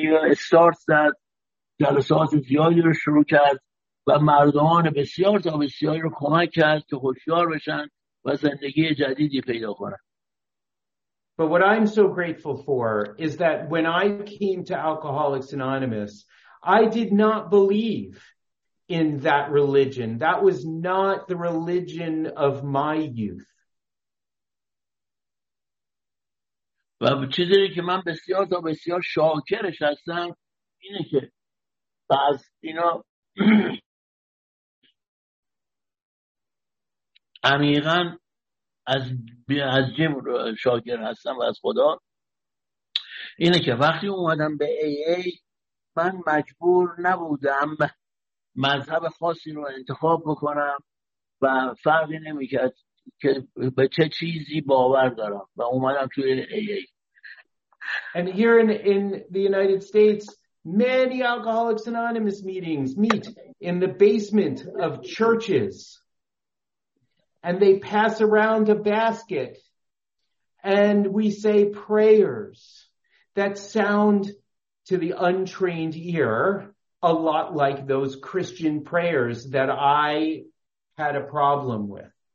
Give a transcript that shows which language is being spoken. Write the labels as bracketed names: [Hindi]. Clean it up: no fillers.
[Persian] استارت زد، جلسات زیادی رو شروع کرد و مردمان بسیار تا بسیاری رو کمک کرد که هوشیار بشن و زندگی جدیدی پیدا کنن. [English] But what I'm so grateful for is that when I came to Alcoholics Anonymous, I did not believe in that religion. That was not the religion of my youth. [Persian] و چیزی که من بسیار تا بسیار شاکرش هستم اینه که بعض اینا عمیقا از جیم شاکر هستم و از خدا، اینه که وقتی اومدم به AA من مجبور نبودم مذهب خاصی رو انتخاب بکنم و فرقی نمی کرد که به چه چیزی باور دارم و اومدم توی AA. [English] And here in the United States, many Alcoholics Anonymous meetings meet in the basement of churches. and they pass around a basket, and we say prayers that sound to the untrained ear a lot like those Christian prayers that I had a problem with.